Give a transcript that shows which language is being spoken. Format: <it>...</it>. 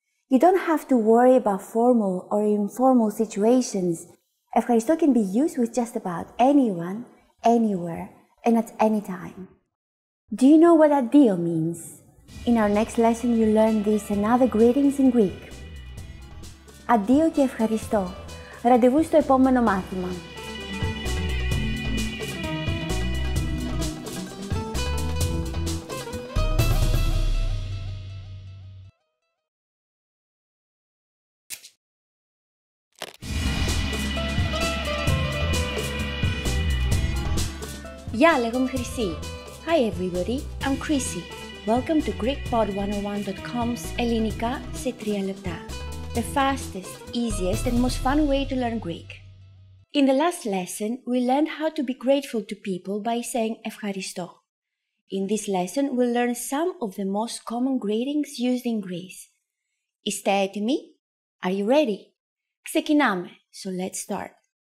<en>You don't have to worry about formal or informal situations. Ευχαριστώ can be used with just about anyone, anywhere, and at any time. Do you know what addio means? In our next lesson, you learn this and other greetings in Greek.</en> <el>Addio και ευχαριστώ. Ραντεβού στο επόμενο μάθημα. Γεια, λέγομαι Χρυσή.</el> <en>Hi everybody, I'm Chrissy. Welcome to GreekPod101.com's</en> <el>Ελληνικά σε 3 λεπτά.</el> <en>The fastest, easiest and most fun way to learn Greek. In the last lesson, we learned how to be grateful to people by saying ευχαριστώ. In this lesson, we'll learn some of the most common greetings used in Greece.</en> <el>Είστε έτοιμοι?</el> <en>Are you ready?</en> <el>Ξεκινάμε,</el> <en>so let's start.</en>